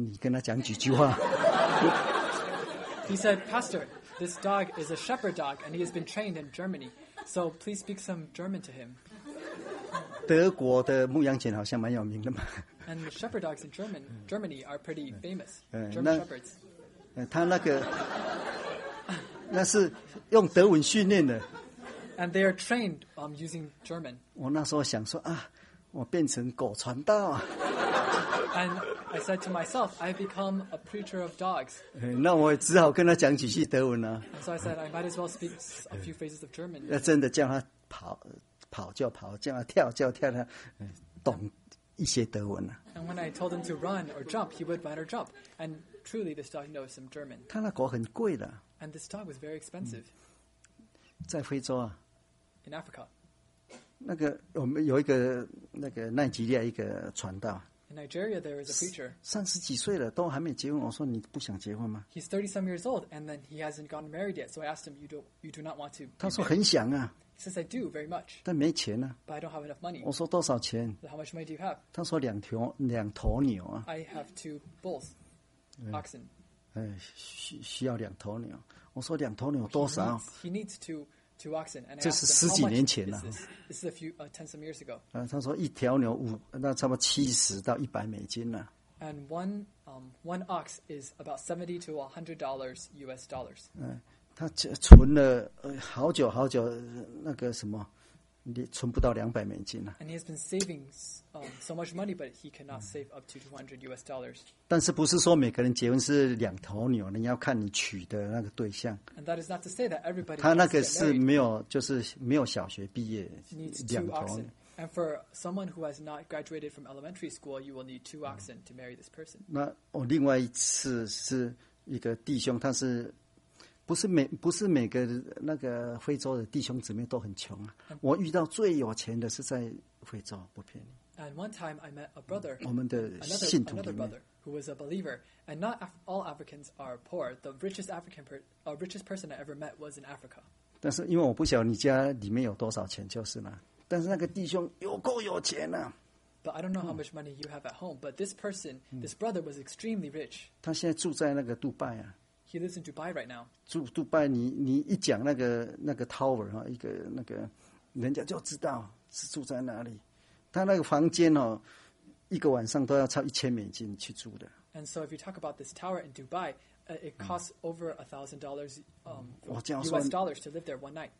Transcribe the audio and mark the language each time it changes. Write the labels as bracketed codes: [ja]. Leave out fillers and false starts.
[zh] 他说传道这只狗呢是那个德国的牧羊犬哦，在德国受训的讲德文，你跟他讲几句话。 [en] He said, Pastor, this dog is a shepherd dog and he has been trained in Germany, so please speak some German to him. [zh] 德国的牧羊犬好像蛮有名的嘛。 [en] And the shepherd dogs in Germany are pretty famous. German shepherds. [zh] 他那个那是用德文训练的。 [en] And they are trained using German. [zh] 我那时候想说啊，我变成狗传道啊。 [en] And I said to myself, I've become a preacher of dogs. [zh] 那我只好跟他讲几句德文啊。 [en] And so I said, I might as well speak a few phrases of German. [zh] 要真的叫他跑，跑就跑，叫他跳，叫他跳，懂。 [en] And when I told him to run or jump, he would run or jump. And truly, this dog knows some German. And this dog was very expensive. [zh] 在非洲啊。 [en] In Africa. [zh] 那个我们有一个那个奈及利亚一个传道。 [en] In Nigeria, there is a preacher. [zh] 三十几岁了都还没结婚，我说你不想结婚吗 [en] ？He's 30-some years old, and then he hasn't gotten married yet. So I asked him, "You do not want to?" [zh] 他说很想啊。 [en] He says, "I do very much." 但没钱啊。 But I don't have enough money. [zh] 我说多少钱 [en] ？How much money do you have? [zh] 他说两头牛啊。 [en] I have two bulls, oxen. [zh] 需要两头牛。我说两头牛多少 [en] ？He needs two oxen. [zh] 这是十几年前了。 [en] This is a few ten some years ago. [zh] 他说一条牛那差不多70-100美金呢。 [en] And one ox is about $70 to $100 US dollars. [zh] 他存了好久好久那个什么，你存不到200美金了。 [en] And he has been saving so much money, but he cannot save up to $200 US. [zh] 但是不是说每个人结婚是两头牛？你要看你娶的那个对象。 [en] And that is not to say that everybody. [zh] 他那个是没有，就是没有小学毕业，两头牛。 [en] And for someone who has not graduated from elementary school, you will need two oxen to marry this person. [zh] 那我另外一次是一个弟兄，他是。不是每个那个非洲的弟兄姊妹都很穷啊！我遇到最有钱的是在非洲，不骗你。 [en] And one time I met a brother, [zh] 我们的信徒里面 [en] another brother who was a believer, and not all Africans are poor. The richest African, richest person I ever met was in Africa. [zh] 但是因为我不晓得你家里面有多少钱，就是嘛。但是那个弟兄有够有钱啊！ [en] But I don't know how much money you have at home. But this person, this brother, was extremely rich. [zh] 他现在住在那个杜拜啊。 [en] He lives in Dubai right now. [zh] 住杜拜，你一讲那个 tower 哈，一个那个，人家就知道是住在哪里。他那个房间哦，一个晚上都要超$1,000去住的。 [en] And so if you talk about this tower in Dubai, it costs over $1,000 US dollars to live there one night.